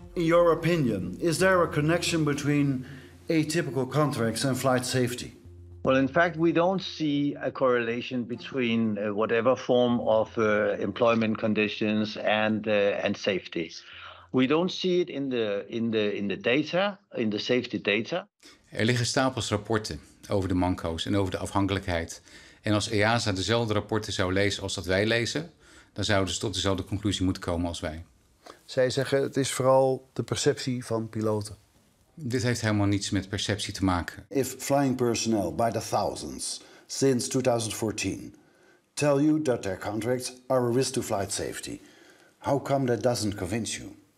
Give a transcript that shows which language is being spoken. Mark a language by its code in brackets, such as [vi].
[en] In your opinion, is there a connection between atypical contracts and flight safety? Well, in fact, we don't see a correlation between whatever form of employment conditions and safety. We don't see it in the data, in the safety data. [nl] Er liggen stapels rapporten over de manco's en over de afhankelijkheid. En als EASA dezelfde rapporten zou lezen als dat wij lezen, dan zouden ze tot dezelfde conclusie moeten komen als wij. Zij zeggen het is vooral de perceptie van piloten. Dit heeft helemaal niets met perceptie te maken. [en] If flying personnel by the thousands since 2014 tell you that their contracts are a risk to flight safety, how come that doesn't convince you?